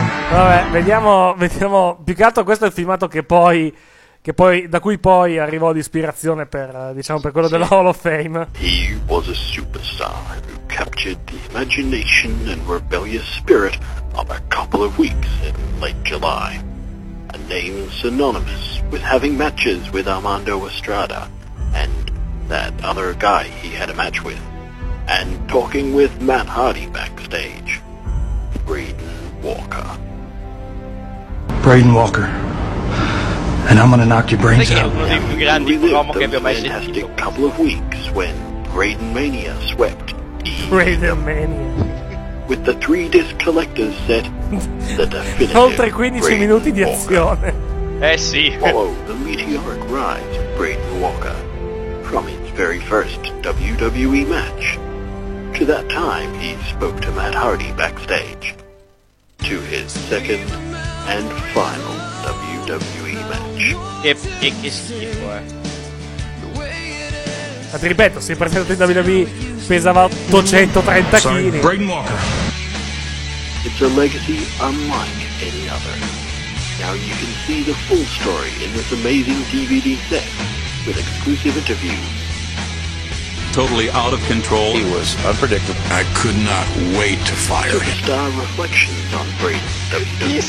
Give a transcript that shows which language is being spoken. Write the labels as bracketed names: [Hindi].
[Italian] Vabbè, vediamo più che altro questo è il filmato che poi da cui poi arrivò di ispirazione per diciamo per quello della Hall of Fame. [English] He was a superstar who captured the imagination and rebellious spirit of a couple of weeks in late July. A name synonymous with having matches with Armando Estrada and that other guy he had a match with, and talking with Matt Hardy backstage, Braden Walker. Braden Walker, and I'm gonna knock your brains out. Yeah. We lived those fantastic couple of weeks when Braden Mania swept. Braden Mania. With the three disc collector set, the definitive [Italian] oltre 15 Braden minuti di azione. Eh sì. [English] Follow the meteoric rise of Braden Walker from his very first WWE match to that time he spoke to Matt Hardy backstage to his second and final WWE match. [Italian] Che schifo, Ma ti ripeto, si è presentato in WWE, pesava 830 kg. [English] Braden Walker. It's a legacy unlike any other. Now you can see the full story in this amazing DVD set with exclusive interviews. Totally out of control. He was unpredictable. I could not wait to fire him. Star reflections on Braden.